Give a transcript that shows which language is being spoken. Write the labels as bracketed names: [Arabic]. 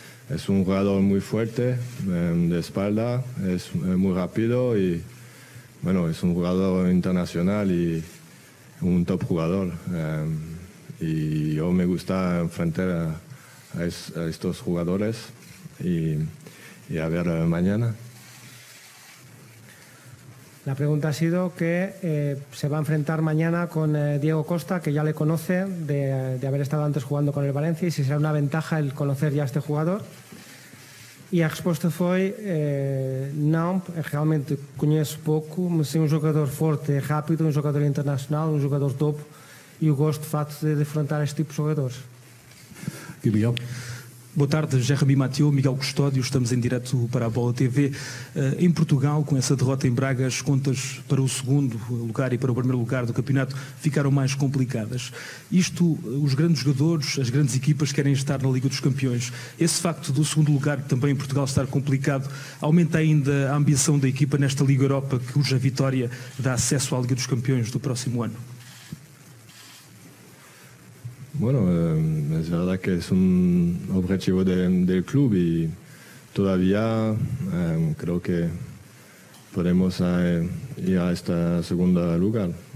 [Portuguese] É um jogador muito forte, [Spanish] de espalda, [Portuguese] é muito rápido e, bueno, é um jogador internacional e um top jogador. [Spanish] Y yo me gusta enfrentar a estos jugadores y a ver mañana. La pregunta ha sido que se va a enfrentar mañana con Diego Costa, que ya le conoce de haber estado antes jugando con el Valencia, y si será una ventaja el conocer ya a este jugador. Y la respuesta fue no, realmente conozco poco, pero soy un jugador fuerte, rápido, un jugador internacional, un jugador top. [Portuguese] E o gosto, de facto, de enfrentar este tipo de jogadores. E Miguel? Boa tarde, Jeremy Mathieu, Miguel Custódio, estamos em direto para a Bola TV. Em Portugal, com essa derrota em Braga, as contas para o segundo lugar e para o primeiro lugar do campeonato ficaram mais complicadas. Isto, os grandes jogadores, as grandes equipas querem estar na Liga dos Campeões. Esse facto do segundo lugar também em Portugal estar complicado aumenta ainda a ambição da equipa nesta Liga Europa, cuja vitória dá acesso à Liga dos Campeões do próximo ano. [Spanish] Bueno, es verdad que es un objetivo del club y todavía creo que podemos ir a este segundo lugar.